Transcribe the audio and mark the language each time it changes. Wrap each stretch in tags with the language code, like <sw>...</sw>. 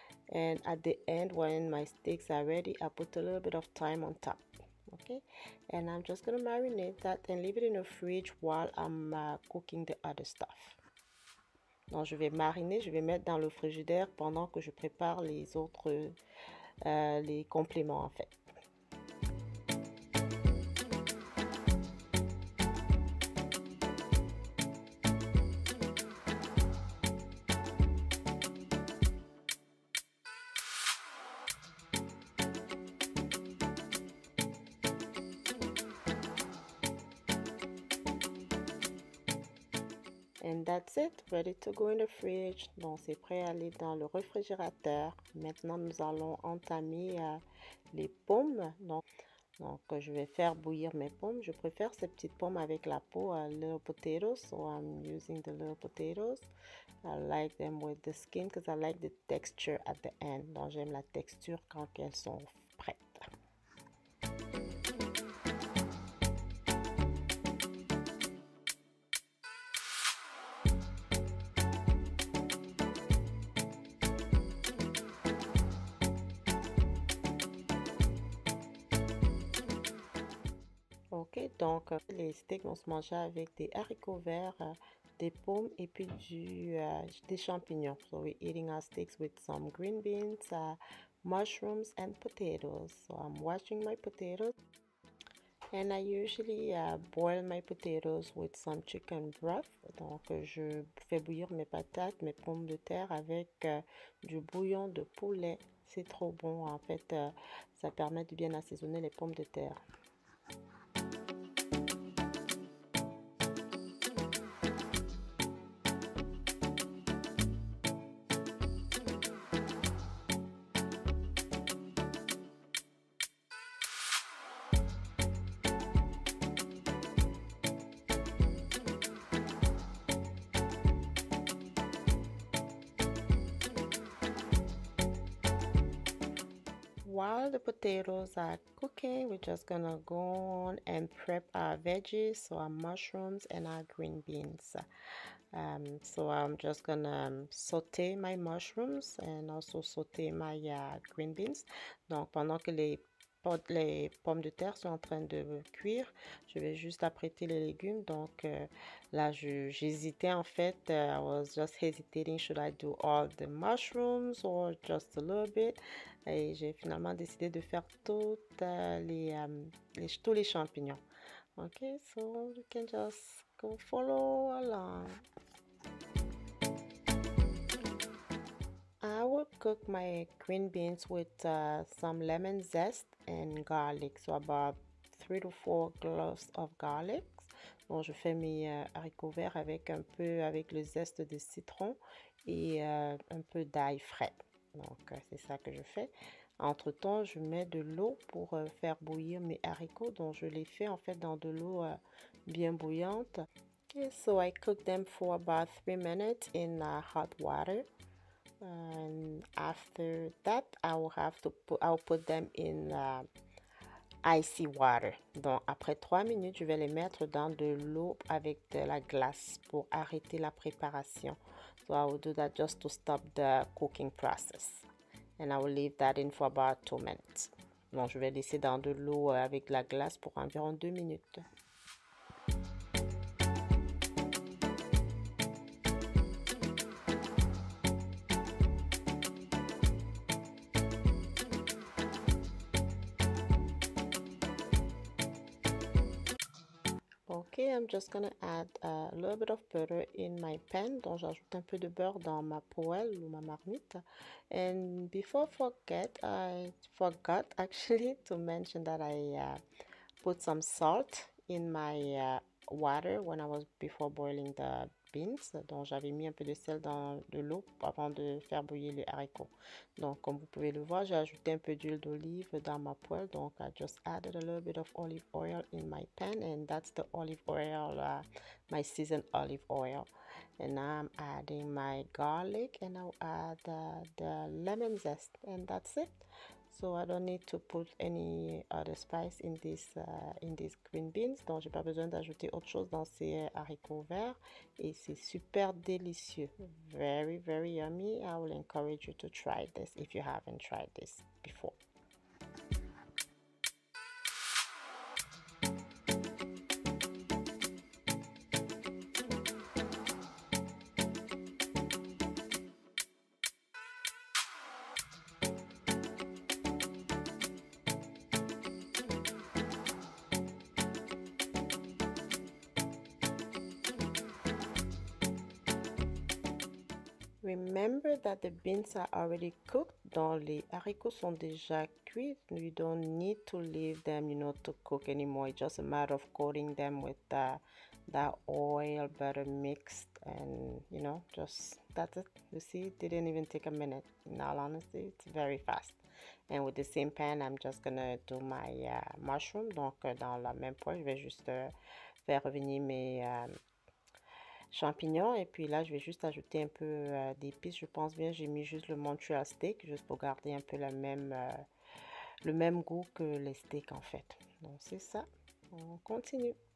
<en>And at the end, when my steaks are ready, I put a little bit of thyme on top, okay? And I'm just gonna marinate that and leave it in the fridge while I'm cooking the other stuff.</en> <fr>Donc, je vais mariner, je vais mettre dans le frigidaire pendant que je prépare les autres, les compléments en fait.</fr> <en>And that's it, ready to go in the fridge.</en> <fr>Donc c'est prêt à aller dans le réfrigérateur. Maintenant nous allons entamer les pommes. Donc je vais faire bouillir mes pommes. Je préfère ces petites pommes avec la peau,</fr> <en>little potatoes. So I'm using the little potatoes. I like them with the skin because I like the texture at the end.</en> <fr>Donc j'aime la texture quand elles sont prêtes. Ok, donc les steaks vont se manger avec des haricots verts, des pommes et puis des champignons.</fr> <en>So we're eating our steaks with some green beans, mushrooms and potatoes. So I'm washing my potatoes. And I usually boil my potatoes with some chicken broth.</en> <fr>Donc je fais bouillir mes patates, mes pommes de terre avec du bouillon de poulet. C'est trop bon en fait, ça permet de bien assaisonner les pommes de terre.</fr> <en>While the potatoes are cooking, we're just gonna go on and prep our veggies, so our mushrooms and our green beans. So I'm just gonna sauté my mushrooms and also sauté my green beans.</en> <fr>Donc pendant que les pommes de terre sont en train de cuire, je vais juste apprêter les légumes. Donc là j'hésitais en fait,</fr> <en>I was just hesitating, should I do all the mushrooms or just a little bit?</en> <fr>Et j'ai finalement décidé de faire tous les champignons.</fr> <en>Ok, so you can just go follow along. I will cook my green beans with some lemon zest and garlic, so about 3 to 4 cloves of garlic.</en> <fr>Bon, je fais mes haricots verts avec un peu avec le zeste de citron et un peu d'ail frais. Donc c'est ça que je fais. Entre temps, je mets de l'eau pour faire bouillir mes haricots. Donc je les fais en fait dans de l'eau bien bouillante.</fr> <en>Okay, so I cook them for about 3 minutes in hot water. And after that, I'll put them in icy water.</en> <fr>Donc après 3 minutes, je vais les mettre dans de l'eau avec de la glace pour arrêter la préparation.</fr> <en>So I will do that just to stop the cooking process. And I will leave that in for about 2 minutes.</en> <fr>Donc je vais laisser dans de l'eau avec de la glace pour environ 2 minutes.</fr> <en>Thank you. Okay, I'm just gonna add a little bit of butter in my pan,</en> <fr>donc j'ajoute un peu de beurre dans ma poêle ou ma marmite.</fr> <en>And before forget, I forgot actually to mention that I put some salt in my water when I was before boiling the beans.</en> <fr>Donc j'avais mis un peu de sel dans de l'eau avant de faire bouillir les haricots. Donc comme vous pouvez le voir, j'ai ajouté un peu d'huile d'olive dans ma poêle.</fr> <en>Donc I just added a little bit of olive oil in my pan, and that's the olive oil, my seasoned olive oil. And now I'm adding my garlic, and I'll add the lemon zest, and that's it. So I don't need to put any other spice in these green beans.</en> <fr>Donc j'ai pas besoin d'ajouter autre chose dans ces haricots verts et c'est super délicieux.</fr> <en>Very, very yummy. I will encourage you to try this if you haven't tried this before. Remember that the beans are already cooked.</en> <fr>Donc les haricots sont déjà cuits.</fr> <en>You don't need to leave them, you know, to cook anymore. It's just a matter of coating them with that oil butter mixed, and you know, just that's it. You see, it didn't even take a minute. In all honesty, it's very fast. And with the same pan, I'm just gonna do my mushroom.</en> <fr>Donc dans la même poêle, je vais juste faire revenir mes champignons, et puis là, je vais juste ajouter un peu d'épices. Je pense bien, j'ai mis juste le Montreal steak, juste pour garder un peu le même goût que les steaks en fait. Donc, c'est ça. On continue.</fr>